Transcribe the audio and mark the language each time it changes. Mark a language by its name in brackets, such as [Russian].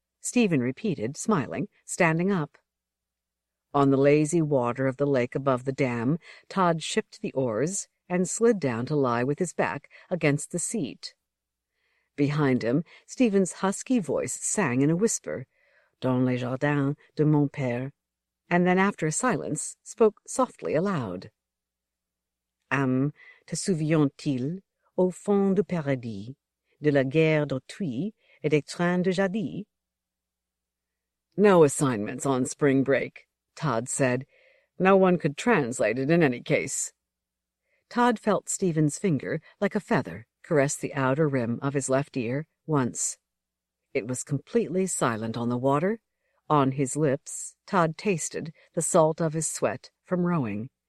[English] Stephen repeated, smiling, standing up. On the lazy water of the lake above the dam, Todd shipped the oars and slid down to lie with his back against the seat. Behind him, Stephen's husky voice sang in a whisper, [French] Dans les jardins de mon père, [English] and then after a silence spoke softly aloud. [French] Te souvient-il, au fond du paradis, de la guerre d'autrui et des trains de jadis? [English] No assignments on spring break, Todd said. No one could translate it in any case. Todd felt Stephen's finger, like a feather, caress the outer rim of his left ear once. It was completely silent on the water. On his lips, Todd tasted the salt of his sweat from rowing.